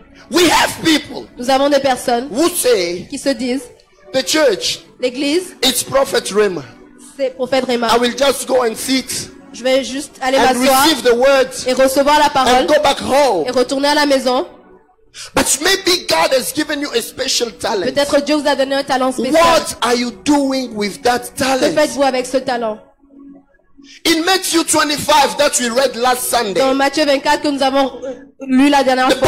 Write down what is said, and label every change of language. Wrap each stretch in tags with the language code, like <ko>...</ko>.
<en>We have people.</en> <fr>Nous avons des personnes.</fr> <en>Who say?</en> <fr>Qui se disent?</fr> <en>The church.</en> <fr>L'église.</fr> <en>It's Prophet Rema.</en> <fr>C'est Prophète Rema.</fr> <en>I will just go and sit.</en> <fr>Je vais juste aller m'asseoir et recevoir la parole</fr> <en>and go back home.</en> <fr>Et retourner à la maison.</fr> <en>But maybe God has given you a special talent.</en> <fr>Peut-être Dieu vous a donné un talent spécial.</fr> <en>What are you doing with that talent?</en> <fr>Que faites-vous avec ce talent?</fr> <en>In Matthew 25 that we read last Sunday.</en> <fr>Dans Matthieu 24 que nous avons lu la dernière fois.</fr>